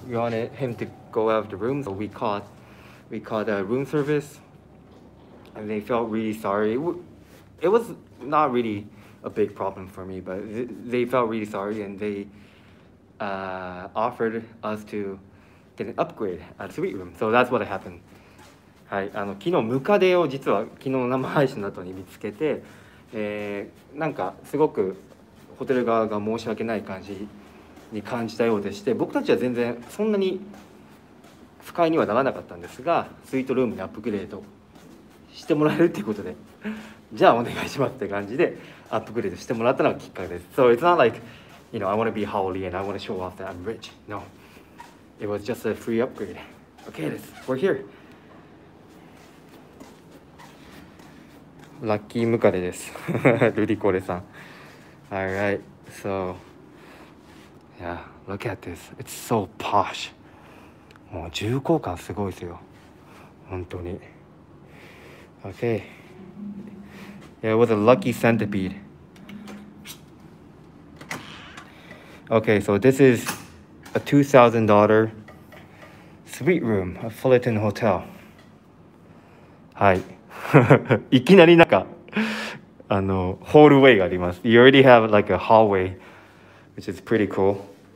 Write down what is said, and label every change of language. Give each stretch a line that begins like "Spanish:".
English: We wanted him to go out of the room, so we called a room service, and they felt really sorry. It was not really. A big problem for me, but they felt really sorry and they offered us to get an upgrade at a suite room. So that's what happened.
Japanese: はい、昨日ムカデを実は昨日生配信の後に見つけて、なんかすごくホテル側が申し訳ない感じに感じたようでして、僕たちは全然そんなに不快にはならなかったんですが、スイートルームにアップグレードしてもらえるということで。じゃあお願いしますって感じでアップグレードしてもらったのがきっかけです。 So it's not like, you know, I want to be holy and I want to show off that I'm rich. No. It was just a free upgrade. Okay, we're here. ラッキームカデです。ルリコレさん。
English: Alright, so... Yeah, look at this. It's so posh.
Japanese: もう重厚感すごいですよ。本当に。
English: Okay. Yeah, it was a lucky centipede. Okay, so this is a $2,000 suite room, a Fullerton Hotel.
Japanese: はい。いきなりなんか、ホールウェイがあります。
English: You already have like a hallway, which is pretty cool.